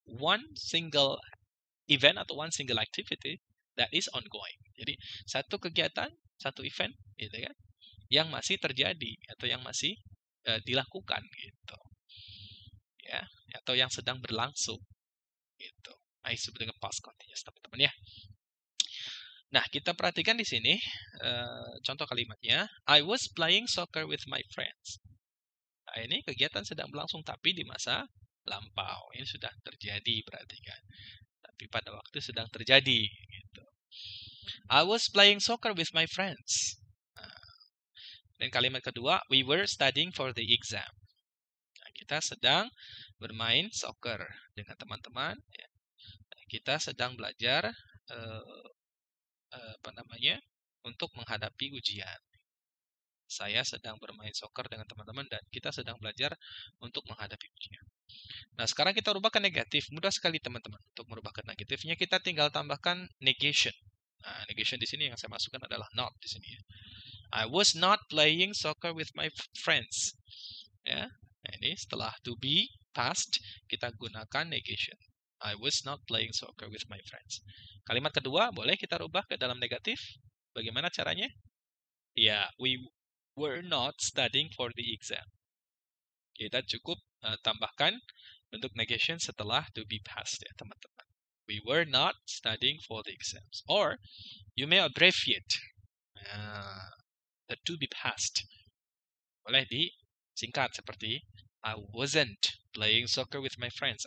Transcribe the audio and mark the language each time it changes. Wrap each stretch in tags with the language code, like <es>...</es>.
<en>One single event atau one single activity that is ongoing.</en> <id>Jadi satu kegiatan, satu event gitu kan yang masih terjadi atau yang masih dilakukan gitu. Ya, atau yang sedang berlangsung. Gitu. Nah, disebut dengan past continuous, teman-teman ya. Nah, kita perhatikan di sini contoh kalimatnya.</id> <en>I was playing soccer with my friends.</en> <id>Nah, ini kegiatan sedang berlangsung tapi di masa lampau. Ini sudah terjadi berarti kan. Tapi pada waktu sedang terjadi.</id> <en>Gitu. I was playing soccer with my friends.</en> <id>Dan kalimat kedua,</id> <en>we were studying for the exam.</en> <id>Kita sedang bermain soccer dengan teman-teman. Kita sedang belajar apa namanya untuk menghadapi ujian. Saya sedang bermain soccer dengan teman-teman dan kita sedang belajar untuk menghadapi ujian. Nah, sekarang kita rubah ke negatif. Mudah sekali, teman-teman, untuk merubah ke negatifnya. Kita tinggal tambahkan negation. Nah, negation di sini yang saya masukkan adalah not di sini.</id> <en>I was not playing soccer with my friends.</en> <id>Ya, nah, ini setelah to be past, kita gunakan negation.</id> <en>I was not playing soccer with my friends.</en> <id>Kalimat kedua, boleh kita rubah ke dalam negatif? Bagaimana caranya? Ya,</id> <en>we're not studying for the exam.</en> <id>Kita cukup tambahkan bentuk negation setelah to be past, ya, teman-teman.</id> <en>We were not studying for the exams. Or, you may abbreviate the to be past.</en> <id>Boleh disingkat seperti,</id> <en>I wasn't playing soccer with my friends.</en>